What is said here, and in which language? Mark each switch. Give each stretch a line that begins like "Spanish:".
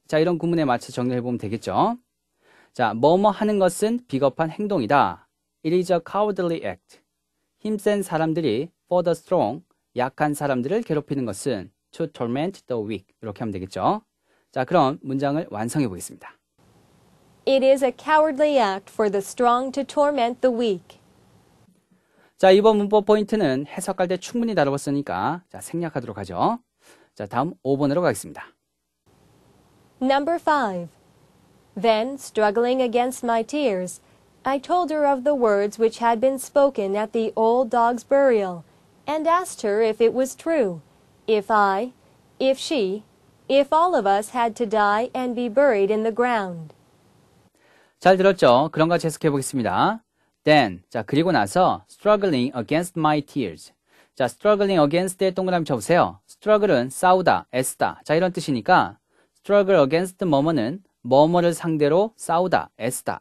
Korean: 자, 이런 구문에 맞춰 정리해 보면 되겠죠. 자, 뭐뭐 하는 것은 비겁한 행동이다.
English: It is a cowardly act.
Korean: 힘센 사람들이
English: for the strong
Korean: 약한 사람들을 괴롭히는 것은
English: to torment the weak
Korean: 이렇게 하면 되겠죠. 자, 그럼 문장을 완성해 보겠습니다.
English: It is a cowardly act for the strong to torment the weak.
Korean: 자, 이번 문법 포인트는 해석할 때 충분히 다뤄봤으니까 자, 생략하도록 하죠. 자, 다음 5번으로 가겠습니다.
English: Number 5. Then, struggling against my tears, I told her of the words which had been spoken at the old dog's burial and asked her if it was true. If I, if she, if all of us had to die and be buried in the ground.
Korean: 잘 들었죠? 그런가 해석해 보겠습니다.
English: Then,
Korean: 자, 그리고 나서
English: struggling against my tears.
Korean: 자,
English: struggling against
Korean: 의 동그라미 쳐보세요. struggle은 싸우다, 애쓰다. 자, 이런 뜻이니까 struggle against 뭐뭐는 뭐뭐를 상대로 싸우다, 애쓰다.